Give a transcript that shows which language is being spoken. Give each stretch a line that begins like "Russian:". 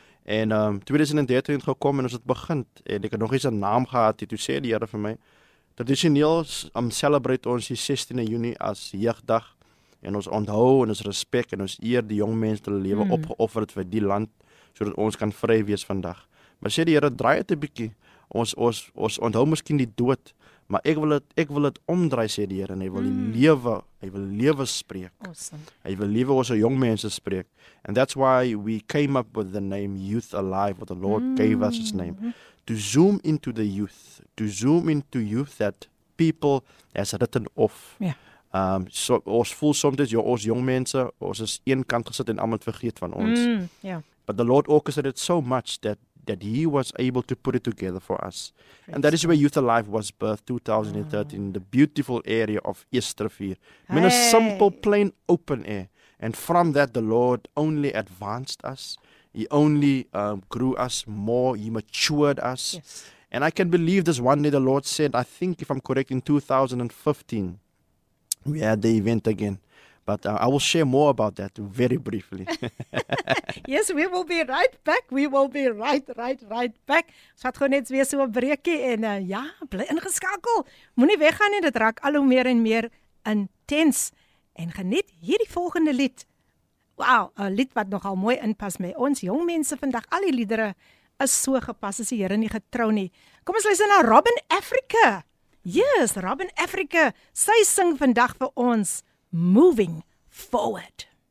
Afrikaans: En 2013 het gekom en ons het begin en ek het nog eens 'n naam gehad en toe sê die Here vir my, tradisioneel celebrate ons die 16de Junie as jeugdag en ons onthou en ons respek en ons eer die jong mense wat hulle lewe opgeoffer het vir die land sodat ons kan vry wees vandag. Maar sê die Here, draai dit 'n bietjie. Ons onthou miskien die dood, maar ek wil dit omdraai sê die Here en hy wil die lewe, hy wil lewe spreek.
English: Awesome.
Afrikaans: Hy wil lewe ons jong mense spreek.
English: And that's why we came up with the name Youth Alive, what the Lord gave us its name. To zoom into the youth, to zoom into youth that people has written off.
Afrikaans: Ja. So ons voel soms jy ons jong mense, ons is een kant gesit en almal vergeet van ons. Ja.
English: But the Lord orchestrated it so much that he was able to put it together for us. Praise and that is where Youth Alive was birthed 2013, the beautiful area of Eersterivier. Hey. In a simple, plain, open air. And from that, the Lord only advanced us. He only grew us more. He matured us. Yes. And I can believe this one day the Lord said, I think if I'm correct, in 2015, we had the event again. But I will share more about that very briefly. Yes, we will be right back. We will be right back.
Afrikaans: Ons het gou net weer so 'n breekie en ja, bly ingeskakel. Moenie weggaan nie, dit raak al hoe meer en meer intens. En geniet hierdie volgende lied. Wow, 'n lied wat nogal mooi inpas met ons jong mense vandag. Al die liedere is so gepas as die Here nie getrou nie. Kom ons luister na Robin Africa. Yes, Robin Africa. Sy sing vandag vir ons. Moving forward.